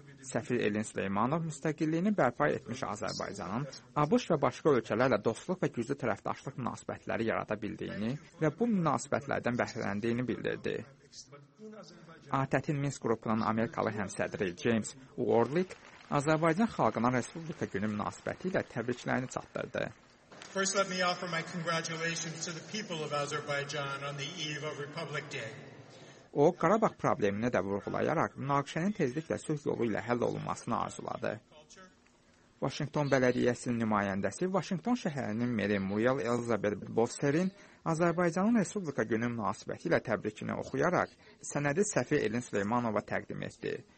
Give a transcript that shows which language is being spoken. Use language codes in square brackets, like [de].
[az] Səfir Elin Süleymanov müstəqilliyini bərpa etmiş Azərbaycanın ABŞ və başqa ölkələrlə dostluq və güclü tərəfdaşlıq münasibətləri yarada bildiyini və bu münasibətlərdən bəhrələndiyini bildirdi. ATƏT-in Minsk qrupunun Amerikalı həmsədri James Warlick Azərbaycan xalqına Respublika günü münasibəti ilə təbriklərini çatdırdı. [en] First, let me offer my congratulations to the people of Azerbaijan on the eve of Republic Day. [az] O, Qarabağ problemini də vurğulayaraq münaqişənin tezliklə sülh yolu ilə həll olunmasını arzuladı. Vaşinqton bələdiyyəsinin nümayəndəsi Vaşinqton şəhərinin meri Muriel Elizabeth Bofserin Azərbaycanın Respublika günü münasibəti ilə təbrikini oxuyaraq sənədi səfir Elin Süleymanova təqdim etdi.